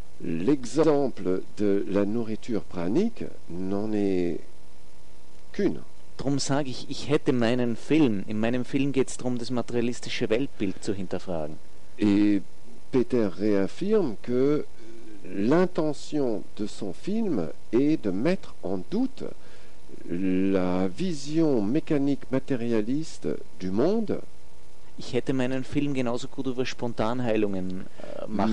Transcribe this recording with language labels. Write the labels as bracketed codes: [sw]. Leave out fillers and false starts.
[fr] L'exemple de la nourriture pranique n'en est qu'une. [de] Drum sage ich, ich hätte meinen Film. In meinem Film geht es darum, das materialistische Weltbild zu hinterfragen. [fr] Et Peter réaffirme que l'intention de son film est de mettre en doute la vision mécanique matérialiste du monde. [de] Ich hätte meinen Film genauso gut über Spontanheilungen machen